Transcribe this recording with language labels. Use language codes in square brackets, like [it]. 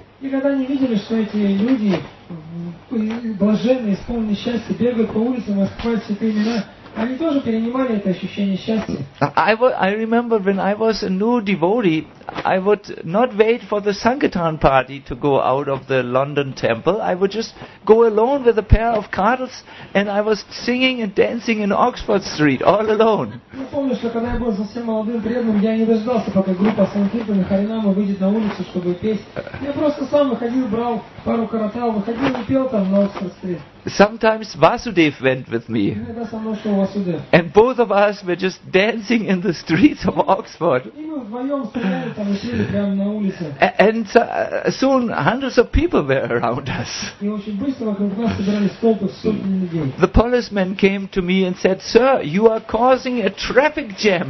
[ru] И когда они видели, что эти люди блаженные, исполненные счастья, бегают по улицам, воспевают святые имена, они тоже перенимали это ощущение счастья. [en] I remember when I was a new devotee, I would not wait for the Sankirtan party to go out of the London temple. I would just go alone with a pair of cardles and I was singing and dancing in Oxford Street all alone. [ru] Я помню, что когда я был совсем молодым преданным, я не дождался, пока группа Санкиртана Харинама выйдет на улицу, чтобы петь. Я просто сам выходил, брал пару каратал, выходил и пел там на Oxford Street. [en] Sometimes Vasudev went with me. And both of us were just dancing in the streets of Oxford. And soon hundreds of people were around us. The policeman came to me and said, "Sir, you are causing a traffic jam."